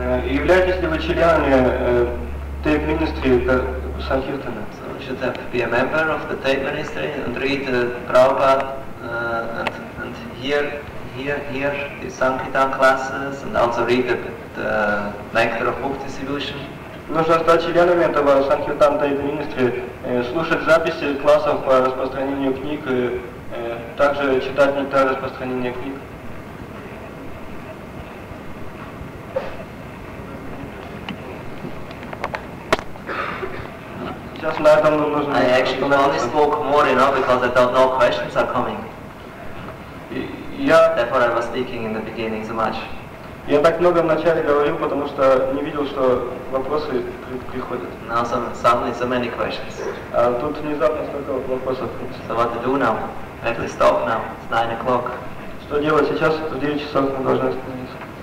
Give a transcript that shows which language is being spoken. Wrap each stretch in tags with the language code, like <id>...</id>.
<ru>Являетесь ли вы членами Tape Ministry Санкиртана?</ru> <en>So you should be a member of the Tape Ministry and read Prabhupada and hear the Sankirtan classes and also read the Nectar of Book Distribution.</en> <ru>Нужно стать членами этого Sankirtan Tape Ministry, слушать записи классов по распространению книг и также читать нектар распространения книг. Сейчас на этом нам нужно.</ru> <en>I actually only spoke more, you know, because I thought no questions are coming. Therefore I was speaking in the beginning so much.</en> <ru>Я так много вначале говорил, потому что не видел, что вопросы приходят.</ru> <en>Now suddenly so many questions.</en> <ru>А тут внезапно столько вопросов.</ru> <en>So what to do now? Let's stop now. It's 9:00.</en> <ru>Что делать сейчас? В 9:00 мы должны остановиться.</ru>